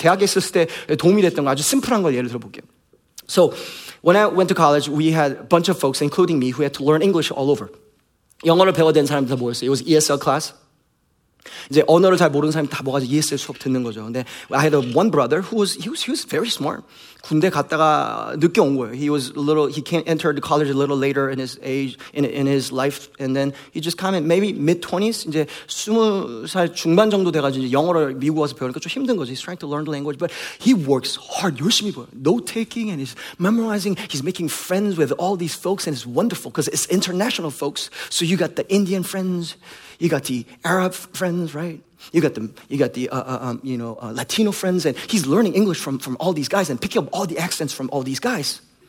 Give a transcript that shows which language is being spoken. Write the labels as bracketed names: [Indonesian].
[Korean] 대학에 있을 때 도움이 됐던 거 아주 심플한 걸 예를 들어볼게요. [English] So, when I went to college, we had a bunch of folks, including me, who had to learn English all over. [Korean] 영어를 배워야 되는 사람들 다 모였어요. [English] It was ESL class. [Korean] 이제 언어를 잘 모르는 사람이 다 모아서 ESL 수업 듣는 거죠. 근데 [English] I had a one brother who was he was very smart. [Korean] 군대 갔다가 늦게 온 거예요. [English] He entered the college a little later in his age in his life, and then he just kind of maybe mid 20s [Korean] 이제 20살 중반 정도 돼가지고 영어를 미국 와서 배우니까 좀 힘든 거죠. [English] He's trying to learn the language, but he works hard. [Korean] 열심히 보여. [English] Note taking and he's memorizing. He's making friends with all these folks, and it's wonderful because it's international folks. So you got the Indian friends. You got the Arab friends, right? You got the Latino friends, and he's learning English from all these guys and picking up all the accents from all these guys.